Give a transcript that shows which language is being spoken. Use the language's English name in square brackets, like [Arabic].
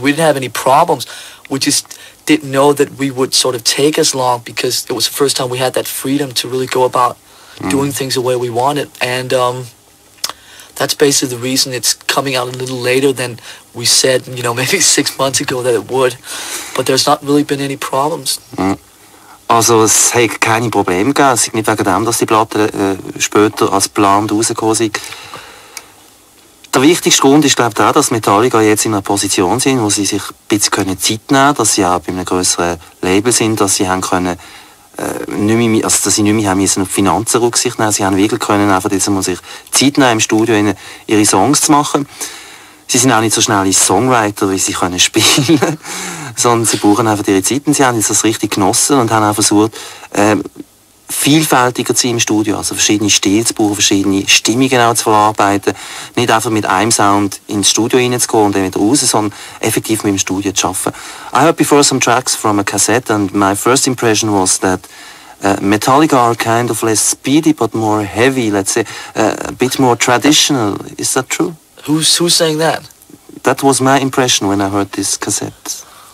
[English] We didn't have any problems. We just didn't know that we would sort of take as long because it was the first time we had that freedom to really go about doing things the way we wanted. And that's basically the reason it's coming out a little later than we said, you know, maybe 6 months ago that it would. But there's not really been any problems. [German] Also es hat keine Probleme gegeben. Es ist nicht wegen dem, dass die Platte später als geplant rausgekommen sind. Der wichtigste Grund ist, glaube ich, auch, dass Metallica jetzt in einer Position sind, wo sie sich ein bisschen Zeit nehmen können, dass sie auch bei einem grösseren Label sind, dass sie haben können, dass sie nicht mehr haben auf Finanzen Rücksicht nehmen. Sie haben wirklich können einfach jetzt sich Zeit nehmen, im Studio ihre Songs zu machen. Sie sind auch nicht so schnell als Songwriter, wie sie können spielen, sondern sie brauchen einfach ihre Zeit und sie haben das richtig genossen und haben auch versucht, vielfältiger zu sein im Studio, also verschiedene Stile zu brauchen, verschiedene Stimmungen auch zu verarbeiten, nicht einfach mit einem Sound ins Studio reinzugehen und dann wieder raus, sondern effektiv mit dem Studio zu arbeiten. [English] I heard before some tracks from a cassette and my first impression was that Metallica are kind of less speedy but more heavy, let's say, a bit more traditional, is that true? Who's saying that? That was my impression when I heard this cassette.